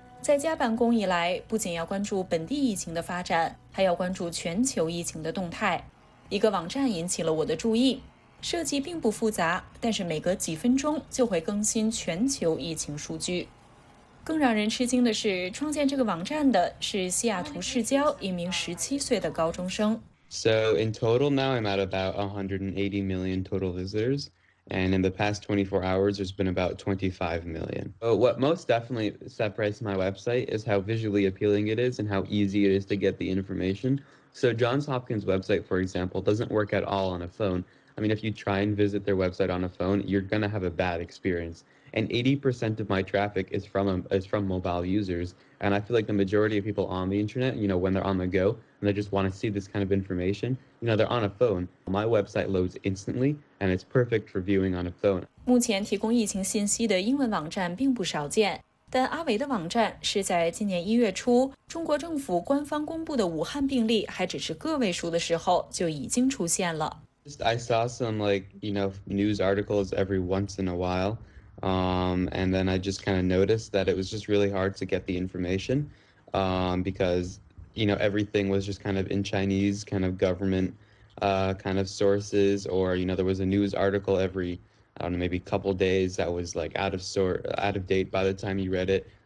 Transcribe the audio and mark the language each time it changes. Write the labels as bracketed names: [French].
[Chinese] 在家办公以来，不仅要关注本地疫情的发展，还要关注全球疫情的动态。一个网站引起了我的注意，设计并不复杂，但是每隔几分钟就会更新全球疫情数据。更让人吃惊的是，创建这个网站的是西雅图市郊一名17岁的高中生。 [English] So in total now I'm at about 180 million total visitors, and in the past 24 hours there's been about 25 million. But what most definitely separates my website is how visually appealing it is and how easy it is to get the information. So Johns Hopkins website, for example, doesn't work at all on a phone. I mean, if you try and visit their website on a phone, you're going to have a bad experience. And 80% of my traffic is from mobile users. And I feel like the majority of people on the internet, you know, when they're on the go, and they just want to see this kind of information, you know, they're on a phone. My website loads instantly, and it's perfect for viewing on a phone. [Chinese] 目前提供疫情信息的英文网站并不少见，但阿维的网站是在今年1月初，中国政府官方公布的武汉病例还只是个位数的时候就已经出现了。 [English] I saw some, like, you know, news articles every once in a while. And then I just kind of noticed that it was just really hard to get the information, because, you know, everything was just kind of in Chinese kind of government, kind of sources, or, you know, there was a news article every, I don't know, maybe couple days that was like out of date by the time you read it.